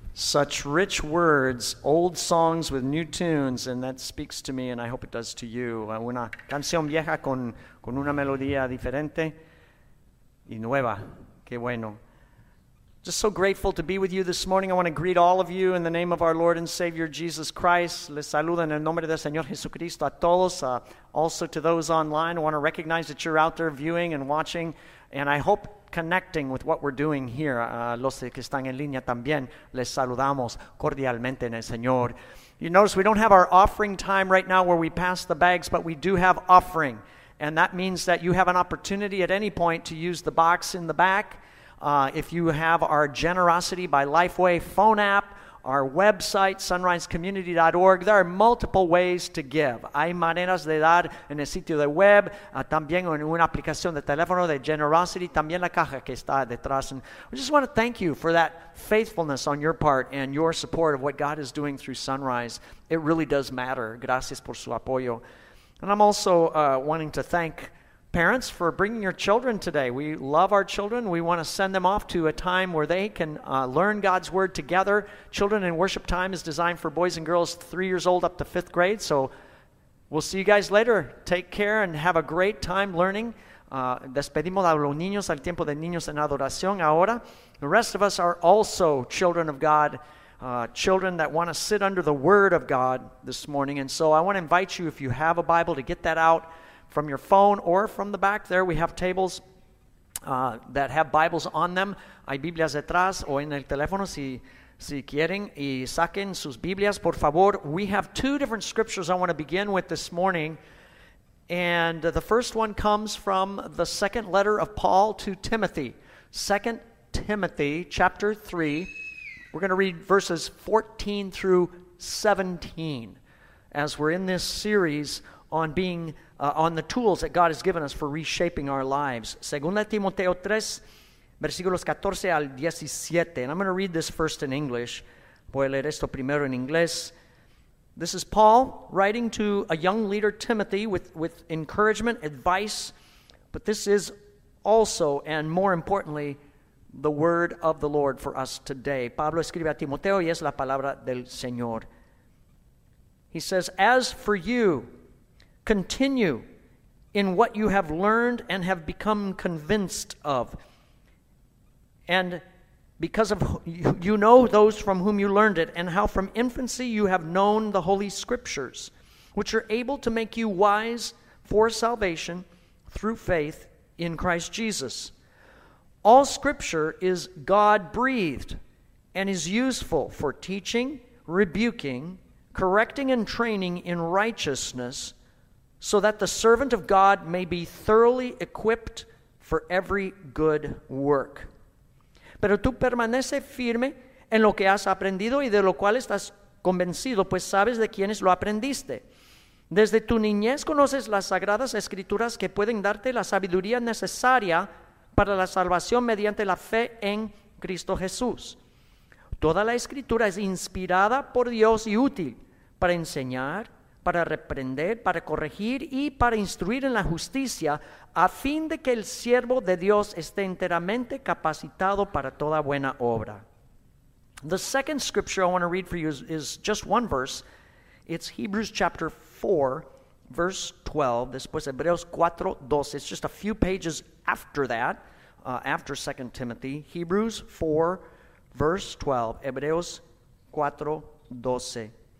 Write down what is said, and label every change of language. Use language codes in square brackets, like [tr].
[en] Such rich words, old songs with new tunes, and that speaks to me, and I hope it does to you. [es] Una canción vieja con una melodía diferente y nueva. Qué bueno. [en] Just so grateful to be with you this morning. I want to greet all of you in the name of our Lord and Savior Jesus Christ. [es] Les saludo en el nombre del Señor Jesucristo a todos. [en] Also to those online, I want to recognize that you're out there viewing and watching, and I hope connecting with what we're doing here. [es] Los que están en línea también, les saludamos cordialmente en el Señor. [en] You notice we don't have our offering time right now where we pass the bags, but we do have offering. And that means that you have an opportunity at any point to use the box in the back. If you have our Generosity by Lifeway phone app, our website, sunrisecommunity.org, there are multiple ways to give. [es] Hay maneras de dar en el sitio de web, también en una aplicación de teléfono de Generosity, también la caja que está detrás. [en] And we just want to thank you for that faithfulness on your part and your support of what God is doing through Sunrise. It really does matter. [es] Gracias por su apoyo. [en] And I'm also wanting to thank parents for bringing your children today. We love our children. We want to send them off to a time where they can learn God's word together. Children in worship time is designed for boys and girls 3 years old up to fifth grade. So we'll see you guys later. Take care and have a great time learning. [es] Despedimos a los niños al tiempo de niños en adoración ahora. [en] The rest of us are also children of God, children that want to sit under the word of God this morning. And so I want to invite you, if you have a Bible, to get that out from your phone or from the back there. We have tables that have Bibles on them. [es] Hay Biblias detrás o en el teléfono si quieren. Y saquen sus Biblias, por favor. [en] We have two different scriptures I want to begin with this morning. And the first one comes from the second letter of Paul to Timothy. 2 Timothy chapter 3. We're going to read verses 14 through 17 as we're in this series on being on the tools that God has given us for reshaping our lives. [es] Segunda Timoteo 3, versículos 14 al 17. [en] And I'm going to read this first in English. [es] Voy a leer esto primero en inglés. [en] This is Paul writing to a young leader, Timothy, with encouragement, advice. But this is also, and more importantly, the word of the Lord for us today. [es] Pablo escribe a Timoteo y es la palabra del Señor. [en] He says, "As for you, continue in what you have learned and have become convinced of. And because of you know those from whom you learned it, and how from infancy you have known the Holy Scriptures, which are able to make you wise for salvation through faith in Christ Jesus. All Scripture is God-breathed and is useful for teaching, rebuking, correcting, and training in righteousness, so that the servant of God may be thoroughly equipped for every good work. [es] Pero tú permanece firme en lo que has aprendido y de lo cual estás convencido, pues sabes de quiénes lo aprendiste. Desde tu niñez conoces las sagradas escrituras que pueden darte la sabiduría necesaria para la salvación mediante la fe en Cristo Jesús. Toda la escritura es inspirada por Dios y útil para enseñar, para reprender, para corregir y para instruir en la justicia, a fin de que el siervo de Dios esté enteramente capacitado para toda buena obra." [en] The second scripture I want to read for you is just one verse. It's Hebrews chapter 4, verse 12. [es] Después Hebreos 4, 12. [en] It's just a few pages after that, after 2 Timothy. Hebrews 4, verse 12. Hebreos 4, 12.